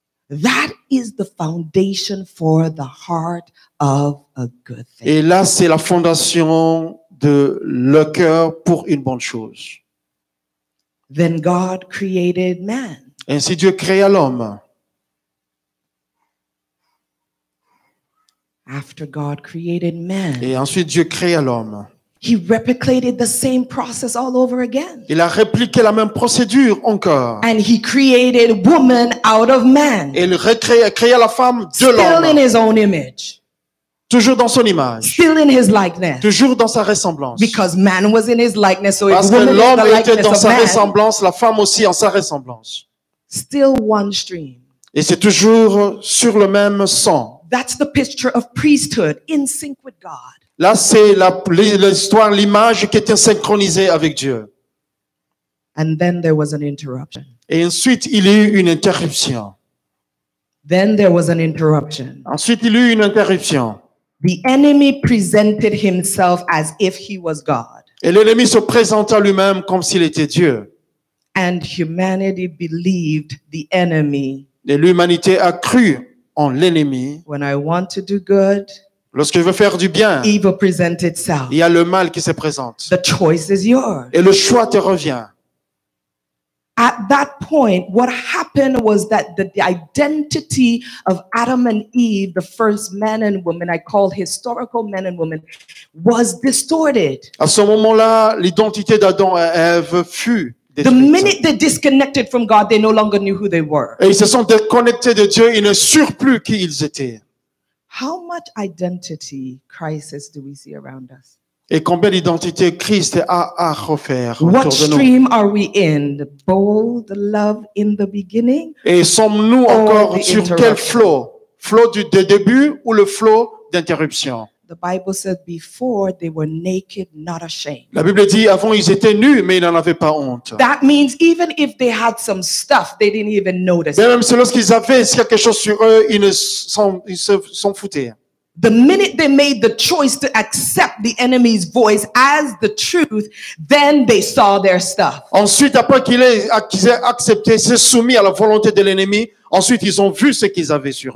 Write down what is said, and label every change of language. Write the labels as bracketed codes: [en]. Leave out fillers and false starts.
[en] That is the foundation for the heart of a good thing. [fr] Et là, c'est la fondation de le cœur pour une bonne chose. [en] Then God created man. [fr] Ainsi Dieu créa l'homme. [en] After God created man. [fr] Et ensuite Dieu créa l'homme. [en] He replicated the same process all over again. [fr] Il a répliqué la même procédure encore. [en] And he created woman out of man. [fr] Et il créa la femme de [en] Still [fr] l'homme. [en] Still in his own image. [fr] Toujours dans son image. [en] Still in his likeness. [fr] Toujours dans sa ressemblance. [en] Because man was in his likeness, so [fr] Parce que l'homme [en] in the [fr] était dans sa [en] man, [fr] ressemblance, la femme aussi en sa ressemblance. [en] Still one stream. [fr] Et c'est toujours sur le même sang. [en] That's the picture of priesthood in sync with God. [fr] Là, c'est l'histoire, l'image qui était synchronisée avec Dieu. [en] And then there was an interruption. [fr] Et ensuite, il y a eu une interruption. [en] Then there was an interruption. [fr] Ensuite, il y a eu une interruption. [en] The enemy presented himself as if he was God. [fr] Et l'ennemi se présenta lui-même comme s'il était Dieu. [en] And humanity believed the enemy. [fr] Et l'humanité a cru en l'ennemi. [en] When I want to do good, [fr] lorsque je veux faire du bien, [en] evil present itself. [fr] Il y a le mal qui se présente. [en] The choice is yours. [fr] Et le choix te revient. [en] At that point, what happened was that the identity of Adam and Eve, the first man and woman, I call historical man and woman, was distorted. [fr] À ce moment-là, l'identité d'Adam et Ève fut [en] The minute they disconnected from God, they no longer knew who they were. [fr] Et ils se sont déconnectés de Dieu, ils ne surent plus qui ils étaient. [en] How much identity crisis do we see around us? [fr] Et combien d'identité Christ a à refaire autour [en] What [fr] de nous? [en] What stream are we in? The bold love in the beginning? [fr] Et sommes-nous encore sur quel flot? Flot du début ou le flot d'interruption? [en] The Bible said before they were naked, not ashamed. [fr] La Bible dit avant ils étaient nus mais ils n'en avaient pas honte. [en] That means even if they had some stuff, they didn't even notice. [fr] Mais même si lorsqu'ils avaient quelque chose sur eux, ils s'en foutaient. [en] The minute they made the choice to accept the enemy's voice as the truth, then they saw their stuff. [fr] Ensuite, après qu'ils aient accepté, s'est soumis à la volonté de l'ennemi. Ensuite, ils ont vu ce qu'ils avaient sur eux.